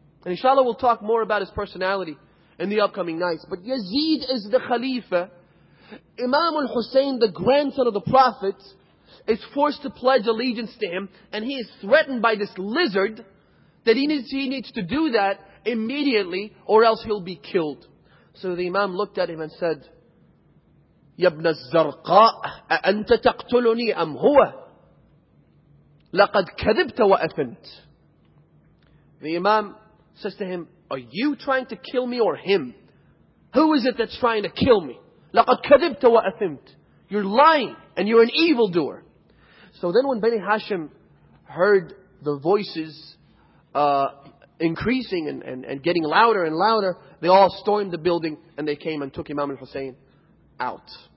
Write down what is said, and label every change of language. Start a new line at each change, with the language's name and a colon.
English: And inshallah we'll talk more about his personality in the upcoming nights. But Yazid is the Khalifa. Imam al-Husayn, the grandson of the Prophet, is forced to pledge allegiance to him, and he is threatened by this lizard that he needs to do that immediately or else he'll be killed. So the Imam looked at him and said,
Arabic: يَبْنَ الزَّرْقَاءَ أَأَنْتَ تَقْتُلُنِي أَمْ هُوَ لَقَدْ كَذِبْتَ وَأَثَنْتَ.
English: The Imam says to him, "Are you trying to kill me or him? Who is it that's trying to kill me?
Arabic: لَقَدْ كَذِبْتَ وَأَثِمْتَ.
English: You're lying and you're an evildoer." So then when Bani Hashim heard the voices increasing and getting louder and louder, they all stormed the building and they came and took Imam al-Husayn out.